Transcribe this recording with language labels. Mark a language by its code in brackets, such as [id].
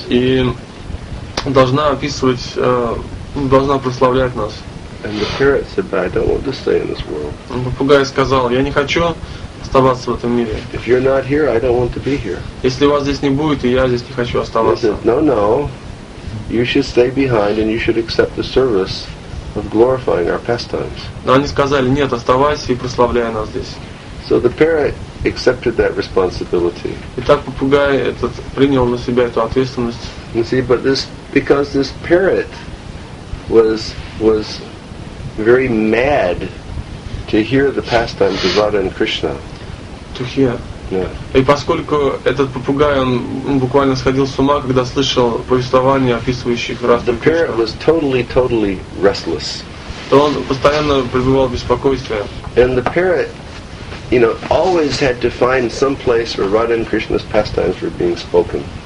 [ru] И должна описывать должна прославлять нас. [en] And the parrot said, "But I don't want to stay in this world." [ru] Попугай сказал, я не хочу оставаться в этом мире. [en] If you're not here, I don't want to be here. [ru] Если вас здесь не будет, и я здесь не хочу оставаться. [en] He said, "No, no. You should stay behind, and you should accept the service of glorifying our pastimes." [ru] Но они сказали, нет, оставайся и прославляй нас здесь. [en] So the parrot accepted that responsibility. [ru] Итак, попугай этот принял на себя эту ответственность. [en] You see, but this because this parrot was very mad to hear the pastimes of Radha and Krishna. To hear. Yeah. [ru] И поскольку этот попугай он буквально сходил с ума, когда слышал повествование описывающих Радха и Кришна. [en] The parrot was totally restless. [ru] То он постоянно пребывал в беспокойстве. [en] And the parrot, you know, always had to find some place where Radha and Krishna's pastimes were being spoken.